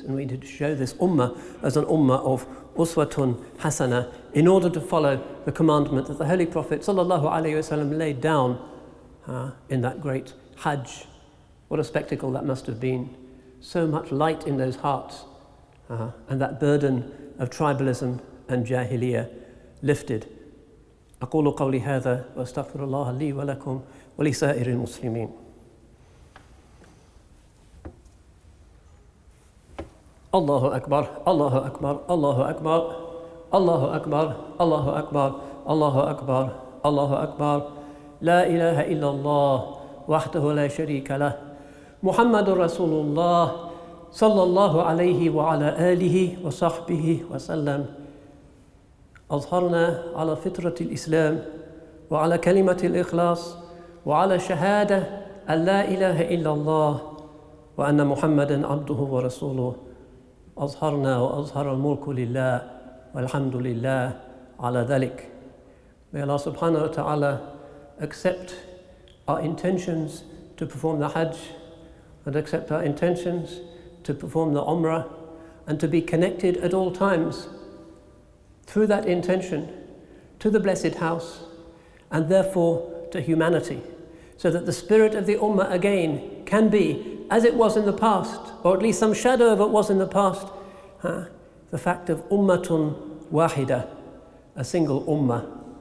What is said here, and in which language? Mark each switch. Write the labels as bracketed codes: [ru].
[en] And we need to show this ummah as an ummah of uswatun hasana in order to follow the commandment that the Holy Prophet sallallahu alaihi wasallam laid down in that great hajj. What a spectacle that must have been. So much light in those hearts and that burden of tribalism and jahiliyyah lifted. [ar] أقول قولي هذا وأستغفر الله لي ولكم ولسائر المسلمين. الله أكبر الله أكبر الله أكبر الله أكبر الله أكبر الله أكبر الله أكبر لا إله إلا الله وحده لا شريك له محمد رسول الله صلى الله عليه وعلى آله وصحبه وسلم أظهرنا على فطرة الإسلام وعلى كلمة الإخلاص وعلى شهادة أن لا إله إلا الله وأن محمدا عبده ورسوله أظهرنا وأظهر الملك لله والحمد لله على ذلك. [en] May Allah subhanahu wa ta'ala accept our intentions to perform the Hajj and accept our intentions to perform the Umrah and to be connected at all times through that intention to the Blessed House and therefore to humanity, so that the spirit of the Ummah again can be as it was in the past, or at least some shadow of it was in the past, the fact of Ummatun Wahida, a single Ummah.